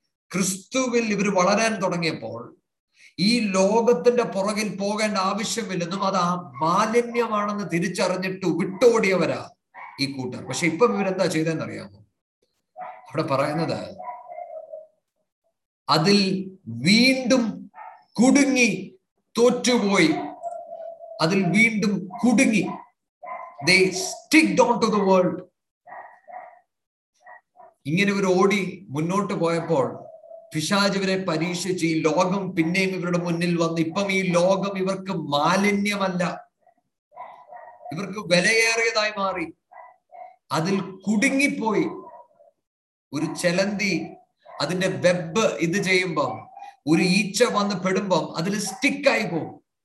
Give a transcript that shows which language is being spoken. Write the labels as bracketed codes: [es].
[ml] ക്രിസ്തുവിൽ ഇവർ വളരാൻ തുടങ്ങിയപ്പോൾ ഈ ലോകത്തിന്റെ പുറകിൽ പോകേണ്ട ആവശ്യമില്ലെന്നും അത് ആ മാലിന്യമാണെന്ന് തിരിച്ചറിഞ്ഞിട്ട് വിട്ടോടിയവരാ ഈ കൂട്ടർ. പക്ഷെ ഇപ്പം ഇവരെന്താ ചെയ്തതെന്നറിയാമോ? അവിടെ പറയുന്നത് അതിൽ വീണ്ടും കുടുങ്ങി തോറ്റുപോയി. അതിൽ വീണ്ടും കുടുങ്ങി, [en] they sticked on to the world. [ml] ഇങ്ങനെ ഇവർ ഓടി മുന്നോട്ട് പോയപ്പോൾ പിശാചിവരെ പരീക്ഷിച്ച് ഈ ലോകം പിന്നെയും ഇവരുടെ മുന്നിൽ വന്ന്. ഇപ്പം ഈ ലോകം ഇവർക്ക് മാലിന്യമല്ല, ഇവർക്ക് വിലയേറിയതായി മാറി. അതിൽ കുടുങ്ങിപ്പോയി. ഒരു ചെലന്തി അതിന്റെ വെബ് ഇത് ചെയ്യുമ്പം, ഒരു ഈച്ച വന്ന് പെടുമ്പം അതിൽ സ്റ്റിക്കായി പോകും.